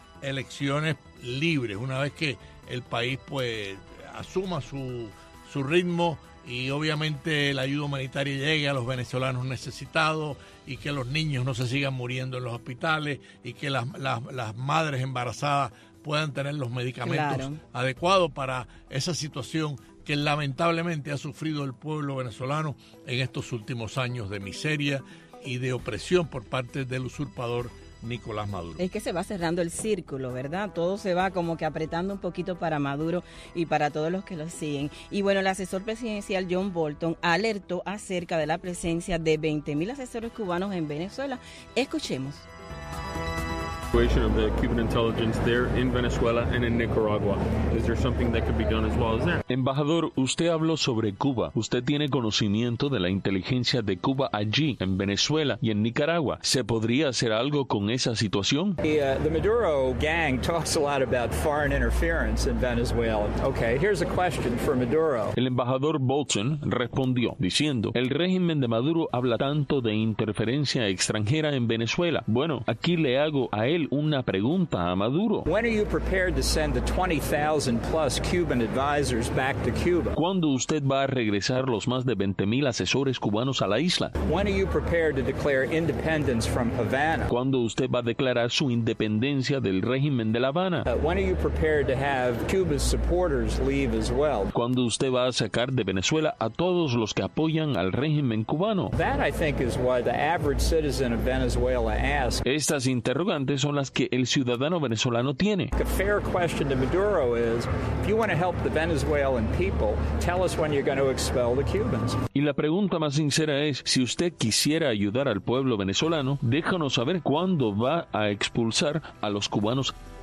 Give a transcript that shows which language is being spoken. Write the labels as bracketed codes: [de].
[es] elecciones libres, una vez que el país pues asuma su ritmo y obviamente la ayuda humanitaria llegue a los venezolanos necesitados y que los niños no se sigan muriendo en los hospitales y que las madres embarazadas puedan tener los medicamentos adecuados para esa situación que lamentablemente ha sufrido el pueblo venezolano en estos últimos años de miseria y de opresión por parte del usurpador Nicolás Maduro. Es que se va cerrando el círculo, ¿verdad? Todo se va como que apretando un poquito para Maduro y para todos los que lo siguen. Y bueno, el asesor presidencial John Bolton alertó acerca de la presencia de 20,000 asesores cubanos en Venezuela. Escuchemos. [en] situation of the Cuban intelligence there in Venezuela and in Nicaragua. Is there something that could be done as well as that? [es] Embajador, usted habló sobre Cuba. Usted tiene conocimiento de la inteligencia de Cuba allí, en Venezuela y en Nicaragua. ¿Se podría hacer algo con esa situación? [en] The Maduro gang talks a lot about foreign interference in Venezuela. Okay, here's a question for Maduro. [es] El embajador Bolton respondió diciendo, el régimen de Maduro habla tanto de interferencia extranjera en Venezuela. Bueno, aquí le hago a él una pregunta a Maduro. [en] When are you prepared to send the 20,000 plus Cuban advisors back to Cuba? [es] ¿Cuándo usted va a regresar los más de 20,000 asesores cubanos a la isla? [en] When are you prepared to declare independence from Havana? [es] ¿Cuándo usted va a declarar su independencia del régimen de La Habana? [en] When are you prepared to have Cuba's supporters leave as well? [es] ¿Cuándo usted va a sacar de Venezuela a todos los que apoyan al régimen cubano? [en] That I think is why the average citizen of Venezuela asks. [es] Estas interrogantes son las que el ciudadano venezolano tiene. [en] A fair question to Maduro is, if you want to help the Venezuelan people, tell us when you're going to expel the Cubans. [es] Y la pregunta más sincera es, si usted quisiera ayudar al pueblo venezolano, déjanos saber cuándo va a expulsar a los cubanos.